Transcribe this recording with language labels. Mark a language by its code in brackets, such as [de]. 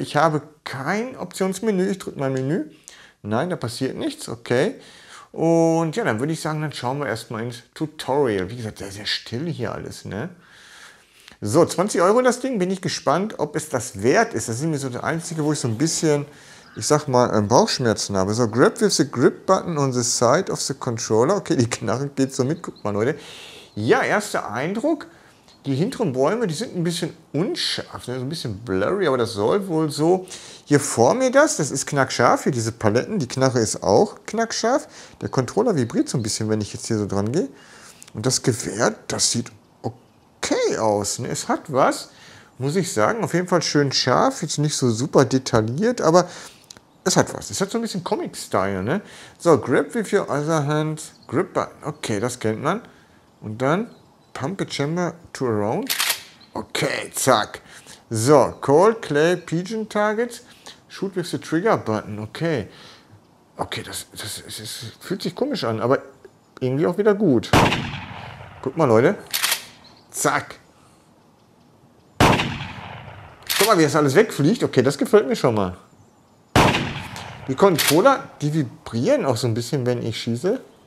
[de] Ich habe kein Optionsmenü. Ich drücke mein Menü. Nein, da passiert nichts. Okay. Und ja, dann würde ich sagen, dann schauen wir erstmal ins Tutorial. Wie gesagt, sehr, sehr still hier alles. Ne? So, 20 Euro das Ding. Bin ich gespannt, ob es das wert ist. Das ist mir so das Einzige, wo ich so ein bisschen, ich sag mal, Bauchschmerzen habe. [en] So, grab with the grip button on the side of the controller. [de] Okay, die Knarre geht so mit. Guck mal, Leute. Ja, erster Eindruck. Die hinteren Bäume, die sind ein bisschen unscharf. Ne? So ein bisschen blurry, aber das soll wohl so. Hier vor mir das ist knackscharf. Hier diese Paletten, die Knarre ist auch knackscharf. Der Controller vibriert so ein bisschen, wenn ich jetzt hier so dran gehe. Und das Gewehr, das sieht okay aus. Ne? Es hat was. Muss ich sagen, auf jeden Fall schön scharf, jetzt nicht so super detailliert, aber es hat was. Es hat so ein bisschen Comic-Style, ne? [en] So, grip with your other hand, grip button. [de] Okay, das kennt man. Und dann [en] pump a chamber to around. Okay, zack. So, call clay pigeon targets, shoot with the trigger button. [de] Okay, okay, das fühlt sich komisch an, aber irgendwie auch wieder gut. Guck mal, Leute. Zack. Guck mal, wie das alles wegfliegt. Okay, das gefällt mir schon mal. Die Controller, die vibrieren auch so ein bisschen, wenn ich schieße.